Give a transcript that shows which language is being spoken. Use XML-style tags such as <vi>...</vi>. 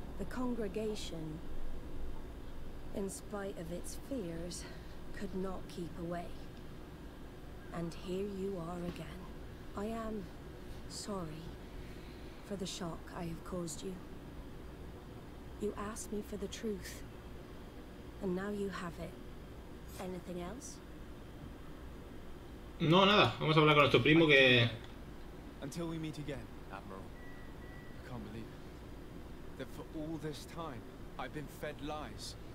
<en>The congregation, in spite of its fears, could not keep away. And here you are again. I am sorry for the shock I have caused you. You asked me for the truth, and now you have it. Anything else?</en> <es>No, nada. Vamos a hablar con nuestro primo que.</es> <en>Until we meet again, Admiral. can't believe it. That for all this time, I've been fed lies.</en>